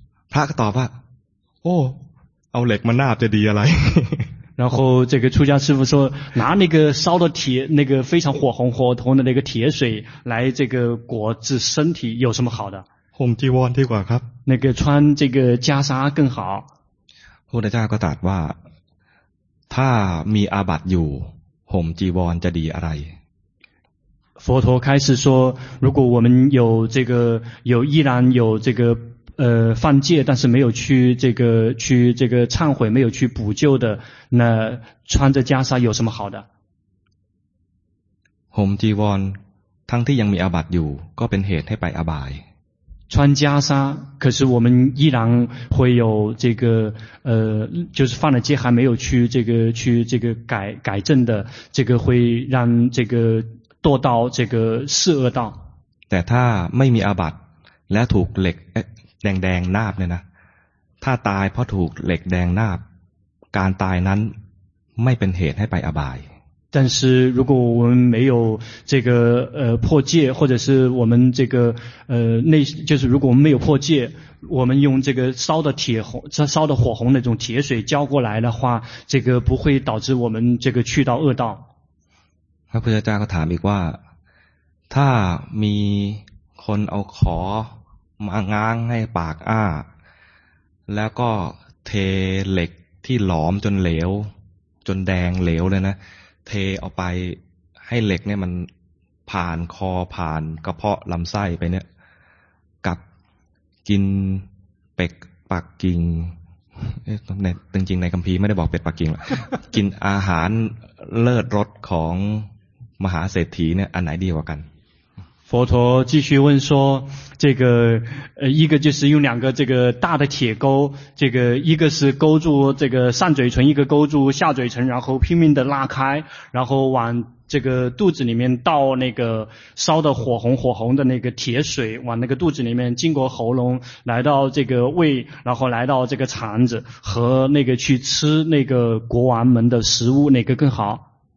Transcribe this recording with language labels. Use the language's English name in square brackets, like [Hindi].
[Chinese] 他答吧哦 [Thai] เอาเหล็กมานาบจะดีอะไร [Chinese] 然后这个出家师父说拿那个烧的铁那个非常火红火红的那个铁水来这个裹治身体有什么好的 [Thai] ห่มจีวรดีกว่าครับ [Chinese] 那个穿这个袈裟更好 [Thai] พระพุทธเจ้าก็ตรัสว่าถ้ามีอาบัติอยู่ห่มจีวรจะดีอะไร [Chinese] 佛陀开始说，如果我们有这个，有依然有这个犯戒，但是没有去这个去这个忏悔，没有去补救的，那穿着袈裟有什么好的？ [Thai] ห่มจีวรทั้งที่ยังมีอาบัติอยู่ก็เป็นเหตุให้ไปอบาย。 [Chinese] 穿袈裟，可是我们依然会有这个就是犯了戒还没有去这个去这个改正的，这个会让这个堕到这个四恶道。 [Thai] แต่ถ้าไม่มีอาบัติและถูกเหล็กแดงๆนาบเนี่ยนะถ้าตายเพราะถูกเหล็กแดงนาบการตายนั้นไม่เป็นเหตุให้ไปอบาย [Chinese] 但是如果我们没有这个破戒，或者是我们这个内，就是如果我们没有破戒，我们用这个烧的铁红、烧的火红那种铁水浇过来的话，这个不会导致我们这个去到恶道。 [Thai] พระพุทธเจ้าก็ถามอีกว่าถ้ามีคนเอาขอมาง้างให้ปากอ้าแล้วก็เทเหล็กที่หลอมจนเหลวจนแดงเหลวเลยนะเทออกไปให้เหล็กเนี่ยมันผ่านคอผ่านกระเพาะลำไส้ไปเนี่ยกับกินเป็ดปักกิ่ง ในจริงๆในคัมภีร์ไม่ได้บอกเป็ดปักกิ่งหรอกกินอาหารเลิศรสของมหาเศรษฐีเนี่ยอันไหนดีกว่ากัน [Chinese] 佛陀继续问说，这个一个就是用两个这个大的铁钩，这个一个是勾住这个上嘴唇，一个勾住下嘴唇，然后拼命的拉开，然后往这个肚子里面倒那个烧的火红火红的那个铁水，往那个肚子里面经过喉咙来到这个胃，然后来到这个肠子，和那个去吃那个国王们的食物，哪个更好？